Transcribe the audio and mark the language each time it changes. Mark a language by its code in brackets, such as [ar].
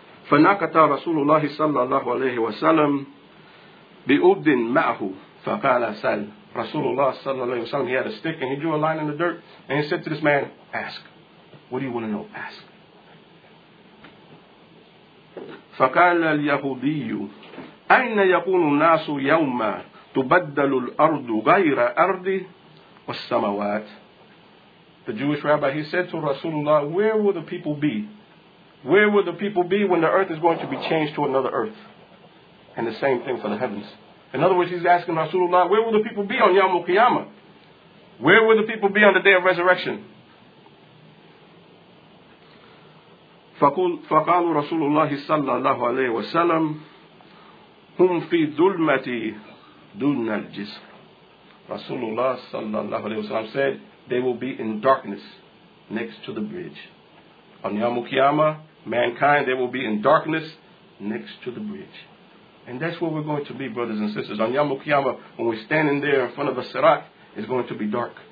[ar] فنكت رسول الله صلى الله عليه وسلم بأبد معه فقال سل. رسول الله صلى الله عليه وسلم, [en] he had a stick and he drew a line in the dirt and he said to this man, ask. What do you want to know? Ask. [ar] فقال اليهودي أين يكون الناس يوما تبدل الأرض غير أرض والسماوات. [en] The Jewish rabbi, he said to Rasulullah, where will the people be? Where will the people be when the earth is going to be changed to another earth? And the same thing for the heavens. In other words, he's asking Rasulullah, where will the people be on Yawm al-Qiyamah? Where will the people be on the day of resurrection? [ar] فقال رسول الله صلى الله عليه وسلم هم في ظلمة دون الجسر. [en] Rasulullah [ar] صلى الله عليه وسلم [en] said, they will be in darkness next to the bridge. On Yawm al-Qiyamah, mankind, they will be in darkness next to the bridge. And that's where we're going to be, brothers and sisters. On Yawm al-Qiyamah, when we're standing there in front of the Sirat, it's going to be dark.